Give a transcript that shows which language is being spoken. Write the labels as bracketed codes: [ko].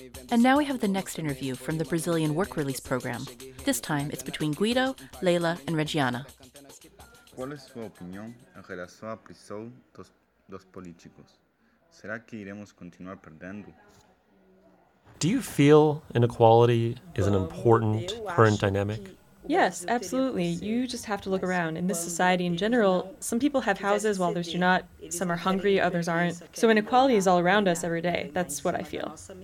[en] and now we have the next interview from the Brazilian work release program. This time, it's between Guido, Leila, and Regiana. [pt] Qual é sua opinião em relação à prisão dos políticos? Será que iremos continuar perdendo? [en] Do you feel inequality is an important current dynamic? Yes, absolutely. You just have to look around. In this society in general, some people have houses while others do not. Some are hungry, others aren't. So inequality is all around us every day. That's what I feel.